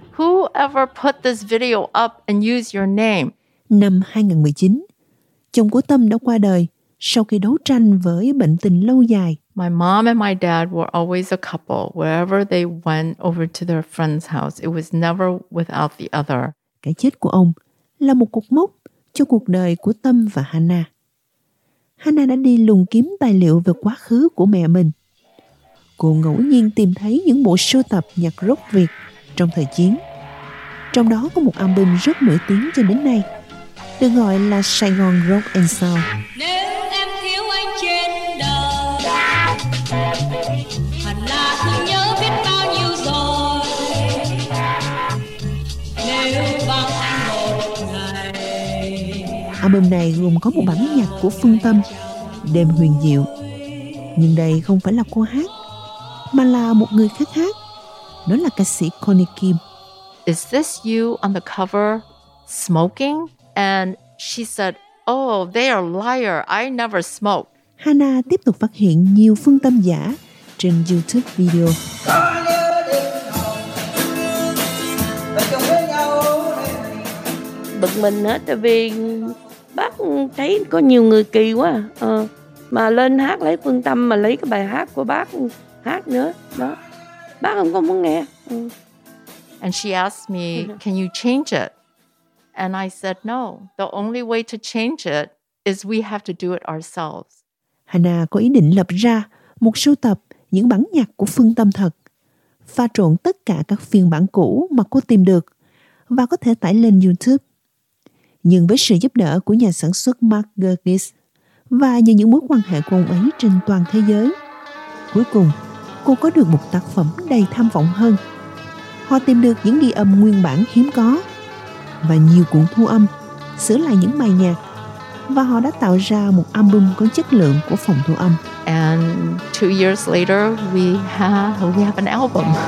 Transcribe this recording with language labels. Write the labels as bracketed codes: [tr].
[en] Who ever put this video up and use your name? [vi] Năm 2019, chồng của Tâm đã qua đời sau khi đấu tranh với bệnh tình lâu dài. [en] My mom and my dad were always a couple. Wherever they went over to their friend's house, it was never without the other. [vi] Cái chết của ông là một cột mốc cho cuộc đời của Tâm và Hannah. Hannah đã đi lùng kiếm tài liệu về quá khứ của mẹ mình. Cô ngẫu nhiên tìm thấy những bộ sưu tập nhạc rock Việt trong thời chiến. Trong đó có một album rất nổi tiếng cho đến nay, được gọi là Sài Gòn Rock and Soul. Album này gồm có một bản nhạc của Phương Tâm, Đêm Huyền Diệu. Nhưng đây không phải là cô hát, mà là một người khác hát. Đó là ca sĩ Connie Kim. [en] Is this you on the cover smoking? And she said, oh, they are liar. I never smoke. [vi] Hannah tiếp tục phát hiện nhiều Phương Tâm giả trên YouTube video. Bực mình hết, tại vì bác thấy có nhiều người kỳ quá à. Mà lên hát lấy Phương Tâm, mà lấy cái bài hát của bác hát nữa đó, bác không có muốn nghe. [en] And she asked me, can you change it? And I said, no, the only way to change it is we have to do it ourselves. [vi] Hannah có ý định lập ra một sưu tập những bản nhạc của Phương Tâm thật, pha trộn tất cả các phiên bản cũ mà cô tìm được và có thể tải lên YouTube. Nhưng với sự giúp đỡ của nhà sản xuất Mark Gergis và nhờ những mối quan hệ của ông ấy trên toàn thế giới, cuối cùng cô có được một tác phẩm đầy tham vọng hơn. Họ tìm được những ghi âm nguyên bản hiếm có và nhiều cuộn thu âm, sửa lại những bài nhạc, và họ đã tạo ra một album có chất lượng của phòng thu âm. [en] And 2 years later, we have an album.